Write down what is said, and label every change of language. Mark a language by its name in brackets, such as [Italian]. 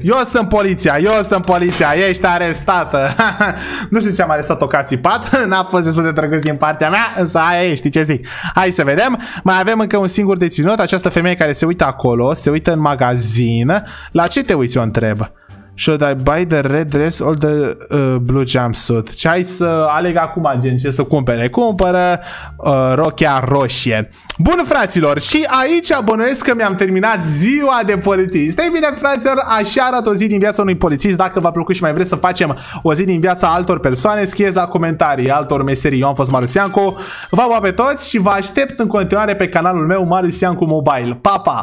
[Romanian] Eu sunt poliția, ești arestată. Nu știu ce am arestat-o că a țipat. N-a fost destul de drăguț din partea mea. Însă aia e, știi ce zic. Hai să vedem, mai avem încă un singur deținut. Această femeie care se uită acolo. Se uită în magazin. La ce te uiți, o întreb? [English] Should I buy the red dress or the blue jumpsuit? [Romanian] Ce ai să aleg acum, gen, ce să cumpere? Cumpără rochia roșie. Bun, fraților, și aici bănuiesc că mi-am terminat ziua de polițist. Ei bine, fraților, așa arată o zi din viața unui polițist. Dacă v-a plăcut și mai vreți să facem o zi din viața altor persoane, scrieți la comentarii altor meserii. Eu am fost Marius Iancu, vă pup pe toți și vă aștept în continuare pe canalul meu Marius Iancu Mobile. Pa, pa!